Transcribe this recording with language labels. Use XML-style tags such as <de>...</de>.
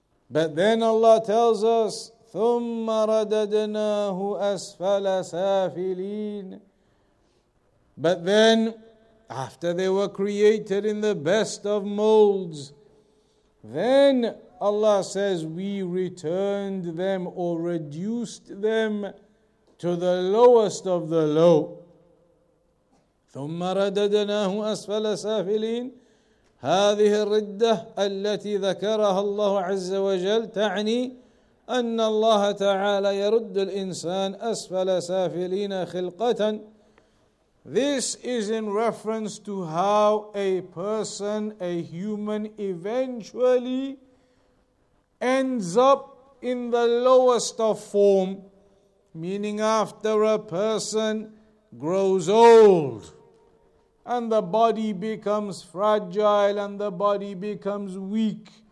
<en>But then Allah tells us,</en> <ar>ثُمَّ رَدَدْنَاهُ أَسْفَلَ سَافِلِينَ,</ar> <en>but then after they were created in the best of molds, then Allah says, we returned them or reduced them to the lowest of the low.</en> <ar>ثُمَّ رَدَدْنَاهُ أَسْفَلَ سَافِلِينَ. هذه الردة التي ذكرها الله عز وجل تعني أن الله تعالى يرد الإنسان أسفل سافلين خلقة.</ar> <en>This is in reference to how a person, a human, eventually ends up in the lowest of form, meaning after a person grows old and the body becomes fragile and the body becomes weak,</en>